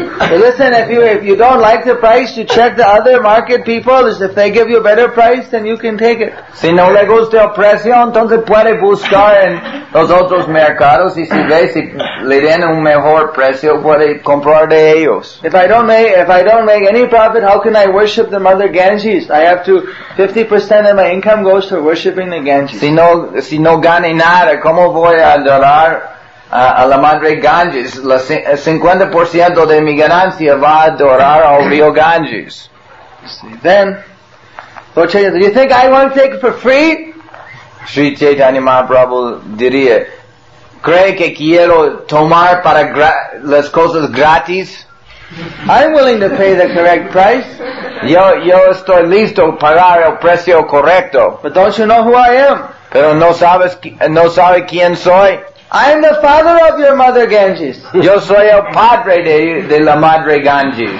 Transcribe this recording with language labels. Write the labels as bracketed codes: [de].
[en] Listen, if you don't like the price, you check the other market people. If they give you a better price, then you can take it. [es] Si no le gusta el precio, entonces puede buscar en los otros mercados y si le den un mejor precio, puede comprar de ellos. [en] If I don't make any profit, how can I worship the Mother Ganges? I have to 50% of my income goes to worshiping the Ganges. [es] Si no gane nada, ¿cómo voy a adorar a la Madre Ganges? El 50% de mi ganancia va a adorar al río Ganges. [en] See, then, Lord Chaitanya, do you think I want to take it for free? [es] Sri Chaitanya Mahaprabhu diría, ¿cree que quiero tomar para las cosas gratis? [en] I'm willing to pay the correct price. [es] Yo estoy listo a pagar el precio correcto. [en] But don't you know who I am? [es] Pero no sabes quién soy. [en] I am the father of your Mother Ganges. [es] Yo soy el padre de la Madre Ganges.